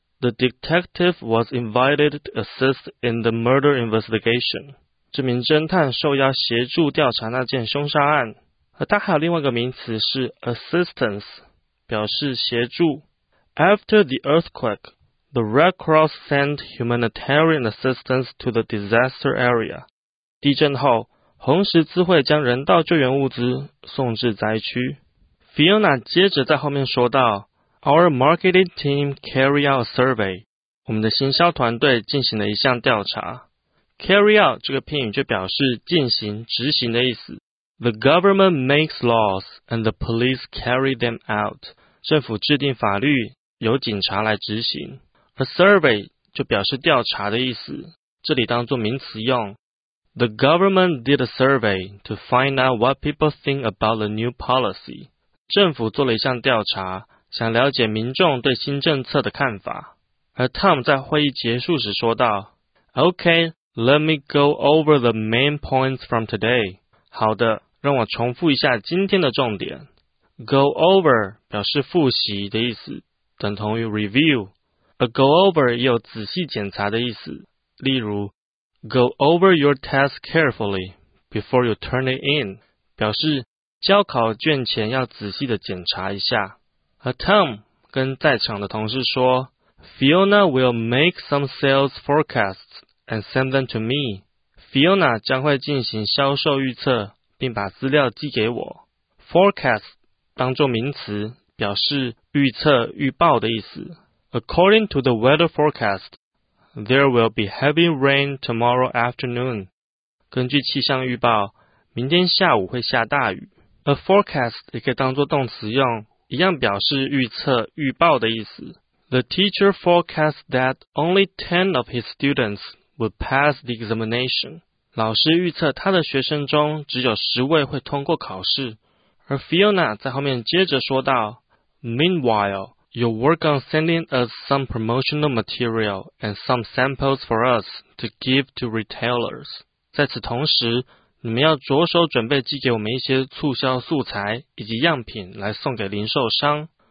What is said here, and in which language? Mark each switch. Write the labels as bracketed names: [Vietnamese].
[English] The detective was invited to assist in the murder investigation. [Chinese] 这名侦探受邀协助调查那件凶杀案。而它还有另外一个名词是 assistance, 表示协助。 [English] After the earthquake, the Red Cross sent humanitarian assistance to the disaster area. [Chinese] 地震后，红十字会将人道救援物资送至灾区。 [English] Fiona [Chinese] 接着在后面说道 [English] ,Our marketing team carried out a survey. [Chinese] 我们的行销团队进行了一项调查。 Carry out 这个片语就表示进行、执行的意思。 [English] The government makes laws, and the police carry them out. [Chinese] 政府制定法律，由警察来执行。A survey 就表示调查的意思。这里当作名词用。 [English] The government did a survey to find out what people think about the new policy. [Chinese] 政府做了一项调查，想了解民众对新政策的看法。而 [English] Tom [Chinese] 在会议结束时说道， [English] OK, let me go over the main points from today. [Chinese] 好的，让我重复一下今天的重点。 Go over 表示复习的意思，等同于 review。而 go over 也有仔细检查的意思，例如 [English] Go over your test carefully before you turn it in， [Chinese] 表示交考卷前要仔细的检查一下。而 [English] Tom [Chinese] 跟在场的同事说， [English] Fiona will make some sales forecasts and send them to me。 [Chinese] Fiona 将会进行销售预测并把资料寄给我。 Forecast 当作名词，表示预测预报的意思。 [English] According to the weather forecast, there will be heavy rain tomorrow afternoon. [Chinese] 根据气象预报，明天下午会下大雨。 A forecast 也可以当作动词用，一样表示预测、预报的意思。 [English] The teacher forecast that only 10 of his students would pass the examination. [Chinese] 老师预测他的学生中只有10位会通过考试。而 [English] Fiona [Chinese] 在后面接着说道， [English] Meanwhile,You'll work on sending us some promotional material and some samples for us to give to retailers. [Chinese] 在此同时，你们要着手准备寄给我们一些促销素材以及样品来送给零售商。